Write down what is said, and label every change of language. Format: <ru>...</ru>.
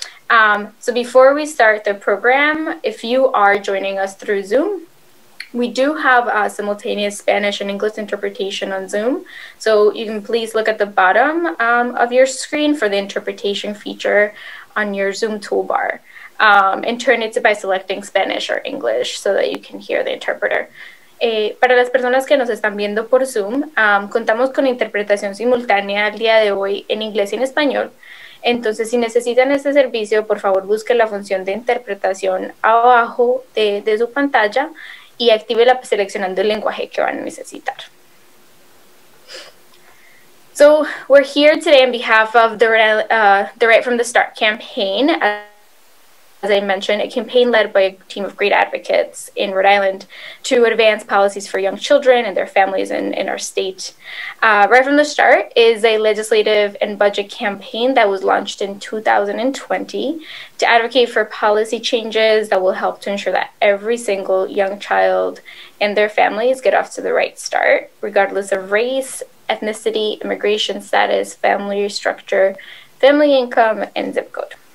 <en>So before we start the program, if you are joining us through Zoom, we do have a simultaneous Spanish and English interpretation on Zoom. So you can please look at the bottom of your screen for the interpretation feature on your Zoom toolbar. And turn it to by selecting Spanish or English so that you can hear the interpreter.</en> <es>Para las personas que nos están viendo por Zoom, contamos con interpretación simultánea al día de hoy en inglés y en español. Entonces, si necesitan este servicio, por favor, busquen la función de interpretación abajo de su pantalla y active la seleccionando el lenguaje que van a necesitar.</es> <en>So, we're here today on behalf of the Right from the Start campaign. As I mentioned, a campaign led by a team of great advocates in Rhode Island to advance policies for young children and their families in our state. Right from the Start is a legislative and budget campaign that was launched in 2020 to advocate for policy changes that will help to ensure that every single young child and their families get off to the right start, regardless of race, ethnicity, immigration status, family structure, family income, and zip code.</en>